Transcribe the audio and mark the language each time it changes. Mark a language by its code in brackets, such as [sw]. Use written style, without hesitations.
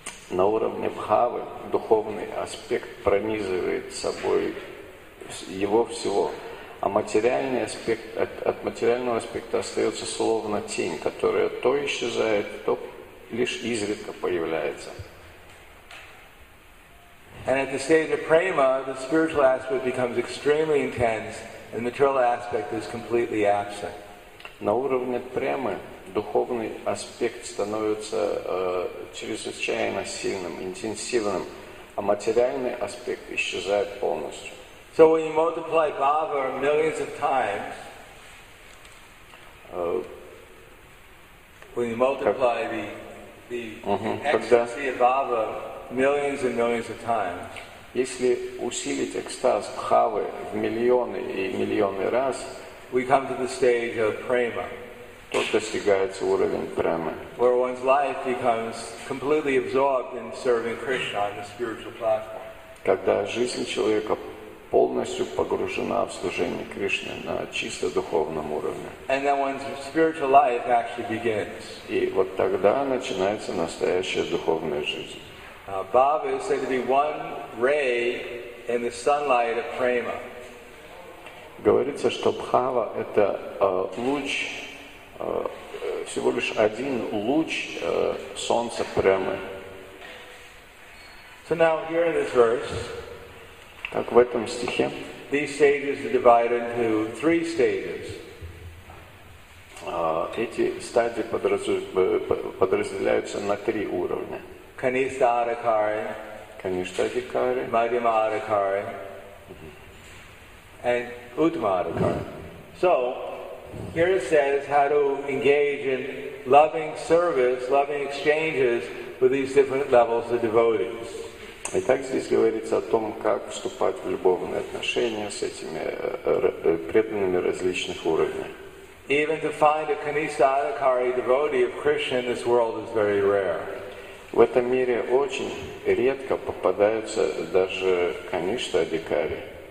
[ru] На уровне бхавы духовный аспект пронизывает собой его всего. А материальный аспект, от материального аспекта остается словно тень, которая то исчезает, то лишь изредка появляется. [en] And at the stage of prema, the spiritual aspect becomes extremely intense, and the material aspect is completely absent. [ru] На уровне премы духовный аспект становится чрезвычайно сильным, интенсивным, а материальный аспект исчезает полностью. [en] So when you multiply bhava millions of times, when you multiply the ecstasy of bhava millions and millions of times, [ru] Если усилить экстаз бхавы в миллионы и миллионы раз, [en] we come to the stage of prema, [ru] то достигается уровень премы. [en] Where one's life becomes completely absorbed in serving Krishna on the spiritual platform. [ru] Когда жизнь человека полностью погружена в служение Кришне на чисто духовном уровне. [en] And then one's spiritual life actually begins. [ru] И вот тогда начинается настоящая духовная жизнь. [en] Bhava is said to be one ray in the sunlight of prema. [ru] Говорится, что бхава это луч, всего лишь один луч солнца премы. [en] So now here in this verse, [ru] так в этом стихе, [en] these stages are divided into three stages. [ru] Эти стадии подразделяются на три уровня. [en] Kanishtha Adhikari, Kanishtha Adhikari, Madhyama Adhikari, and Uttama Adhikari. So, here it says how to engage in loving service, loving exchanges with these different levels of devotees. [ru] Итак, здесь говорится о том, как вступать в любовные отношения с этими преданными различных уровней. [en] Even to find a Kanishtha Adhikari devotee of Krishna in this world is very rare. [ru] В этом мире очень редко попадаются даже Kanishtha Adhikari.